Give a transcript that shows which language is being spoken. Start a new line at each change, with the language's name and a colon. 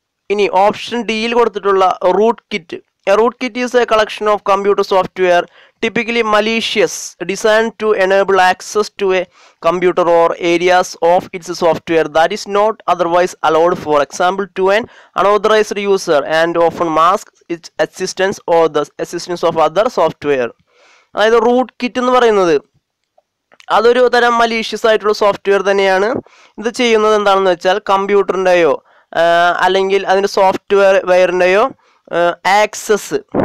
Malayalam: ഇനി ഓപ്ഷൻ ഡിയിൽ കൊടുത്തിട്ടുള്ള root kit.
English: A root kit is a collection of computer software, typically malicious, designed to enable access to a computer or areas of its software that is not otherwise allowed, for example, to an unauthorized user, and often masks its existence or the existence of other software.
Malayalam: അതായത് root kit എന്ന് പറയുന്നത് അതൊരു തരം malicious ആയിട്ടുള്ള software തന്നെയാണ്. ഇത് ചെയ്യുന്നത് എന്താണെന്ന് വെച്ചാൽ കമ്പ്യൂട്ടറിൻ്റെയോ അല്ലെങ്കിൽ അതിൻ്റെ സോഫ്റ്റ്വെയർ വെയറിൻ്റെയോ ആക്സസ്